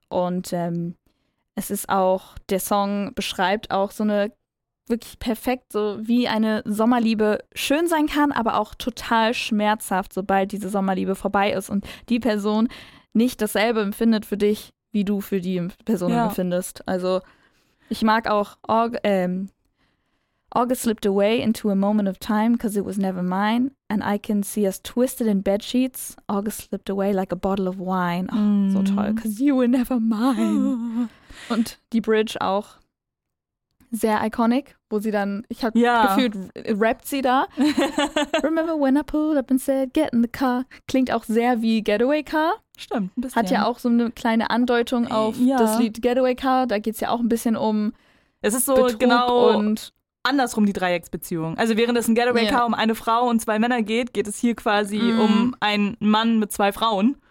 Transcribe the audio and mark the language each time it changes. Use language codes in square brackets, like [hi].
[de] Und es ist auch, der Song beschreibt auch so eine wirklich perfekt, so wie eine Sommerliebe schön sein kann, aber auch total schmerzhaft, sobald diese Sommerliebe vorbei ist und die Person nicht dasselbe empfindet für dich, wie du für die Person empfindest. Also ich mag auch [en] August slipped away into a moment of time because it was never mine. And I can see us twisted in bedsheets. August slipped away like a bottle of wine. [de] Oh, so toll. [en] Because you were never mine. [de] Und die Bridge auch. Sehr iconic, wo sie dann, ich habe gefühlt, rappt sie da. [en] Remember when I pulled up and said, get in the car. [de] Klingt auch sehr wie Getaway Car. Stimmt, ein bisschen. Hat ja auch so eine kleine Andeutung auf das Lied Getaway Car. Da geht es ja auch ein bisschen um Betrug. Es ist so Betrug genau und andersrum die Dreiecksbeziehung. Also während es in Getaway Car um eine Frau und zwei Männer geht, geht es hier quasi um einen Mann mit zwei Frauen.